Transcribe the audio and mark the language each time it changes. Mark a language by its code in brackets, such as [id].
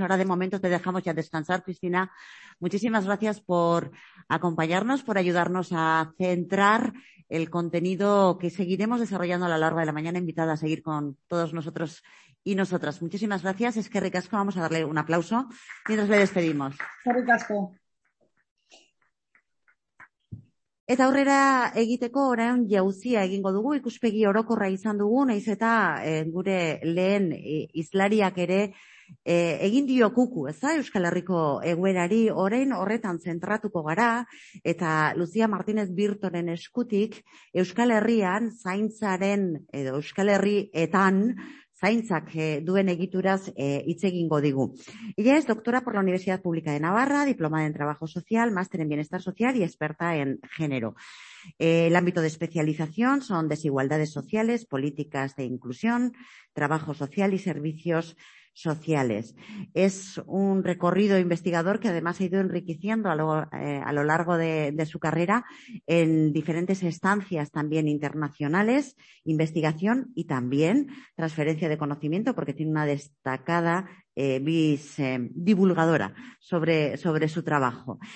[es] Ahora de momento te dejamos ya descansar, Cristina. Muchísimas gracias por acompañarnos, por ayudarnos a centrar el contenido que seguiremos desarrollando a lo largo de la mañana. Invitada a seguir con todos nosotros y nosotras. Muchísimas gracias. Es que Ricasco, vamos a darle un aplauso mientras le despedimos. Ricasco. [eu] Eta aurrera egiteko orain jauzia egingo dugu, ikuspegi orokorra izan dugu, naiz eta gure lehen islariak ere egin dio kuku, ez da, Euskal Herriko egoerari, orain horretan zentratuko gara, eta Lucía Martínez Birtoren eskutik Euskal Herrian zaintzaren edo Euskal Herrietan zaintzak duen egituraz hitz egingo digu. [es] Ella es doctora por la Universidad Pública de Navarra, diplomada en Trabajo Social, máster en Bienestar Social y experta en género. El ámbito de especialización son desigualdades sociales, políticas de inclusión, trabajo social y servicios sociales. Es un recorrido investigador que además ha ido enriqueciendo a lo largo de su carrera en diferentes estancias también internacionales, investigación y también transferencia de conocimiento, porque tiene una destacada divulgadora sobre su trabajo.